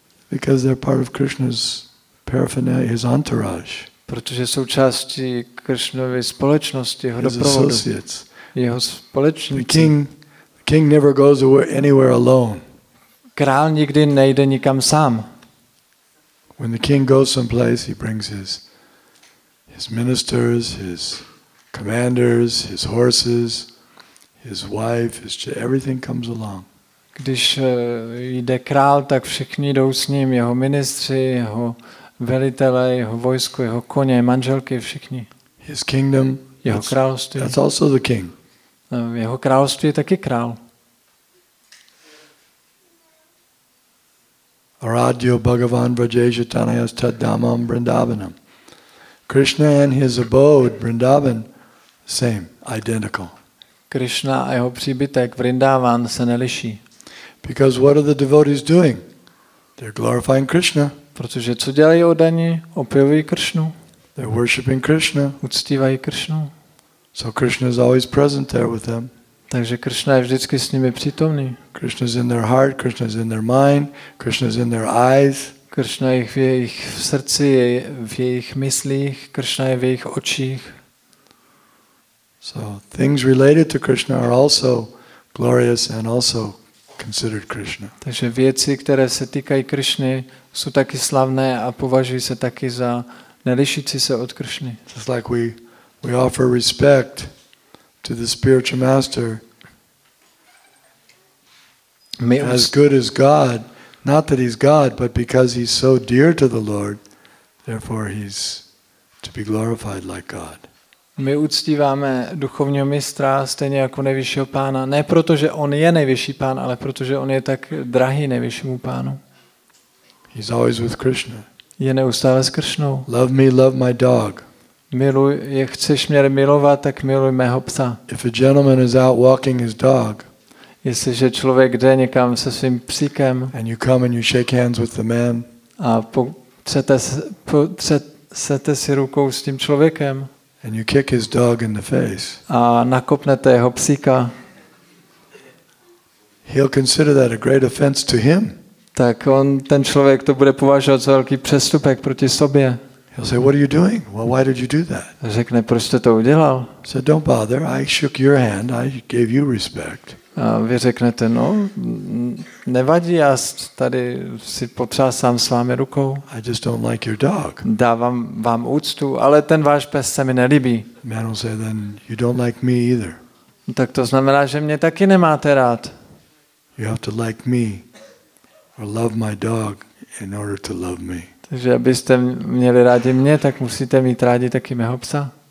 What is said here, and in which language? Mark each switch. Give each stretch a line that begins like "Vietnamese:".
English: Because they're part of Krishna's paraphernalia, his entourage.
Czech: Protože jsou části Krishnovy společnosti, jeho doprovodu, jeho společníci.
English: The king never goes anywhere alone.
Czech: Král nikdy nejde nikam sám.
English: When the king goes someplace, he brings his ministers, his commanders, his horses, his wife, his everything comes along.
Czech: Když jde král, tak všichni jdou s ním, jeho ministři, jeho velitelé, jeho vojsko, jeho koně, manželky, všichni.
English: His kingdom,
Czech: jeho království.
English: That's also the king.
Czech: Jeho království je taky král.
Sanskrit: Aradhyo Bhagavan Vrajajatanaya Taddhamam Vrindavanam.
English: Krishna and his abode, Vrindavan, same, identical.
Czech: Krishna a jeho příbytek, Vrindavan, se neliší.
English: Because what are the devotees doing? They're glorifying Krishna.
Czech: Protože co dělají oddaní? Opěvují Krishnu.
English: They're worshiping Krishna.
Czech: Uctívají Krishnu.
English: So Krishna is always present there with them.
Czech: Takže Krishna je vždycky s nimi přítomný.
English: Krishna is in their heart, Krishna is in their mind, Krishna is in their eyes.
Czech: Krishna je v jejich srdci, je v jejich myslích, Krishna je v jejich očích.
English: So things related to Krishna are also glorious and also considered Krishna.
Czech: Takže věci, které se týkají Krishny, jsou taky slavné a považují se taky za nelišící se od Krishny.
English: Just like we offer respect to the spiritual master. As good as God, not that he's God, but because he's so dear to the Lord, therefore he's to be glorified like God.
Czech: My uctíváme duchovního mistra stejně jako nejvyššího pána, ne proto, že on je nejvyšší pán, ale protože on je tak drahý nejvyššímu pánu.
English: He's always with Krishna.
Czech: Je neustále s Krishnou.
English: Love me, love my dog.
Czech: Miluj, jak chceš mě milovat, tak miluj mého psa.
English: If a gentleman is out walking his dog,
Czech: jestliže člověk jde někam se svým psíkem,
English: and you come and you shake hands with the man,
Czech: a potřete si rukou s tím člověkem,
English: and you kick his dog in the face,
Czech: a nakopnete jeho psíka,
English: he'll consider that a great offense to him.
Czech: Tak on, ten člověk, to bude považovat za velký přestupek proti sobě.
English: He'll say, "What are you doing? Well, why did you do that?"
Czech: Řekne, proč jste to udělal?
English: So don't bother. I shook your hand. I gave you respect.
Czech: A vy řeknete, no, nevadí, já tady si potřásám s vámi rukou.
English: I just don't like your dog.
Czech: Dávám vám úctu, ale ten váš pes se mi nelíbí.
English: Man will say, then you don't like me either.
Czech: Tak to znamená, že mě taky nemáte rád.
English: You have to like me or love my dog in order to love me.
Czech: Takže abyste měli rádi mě, tak musíte mít rádi taky mého psa.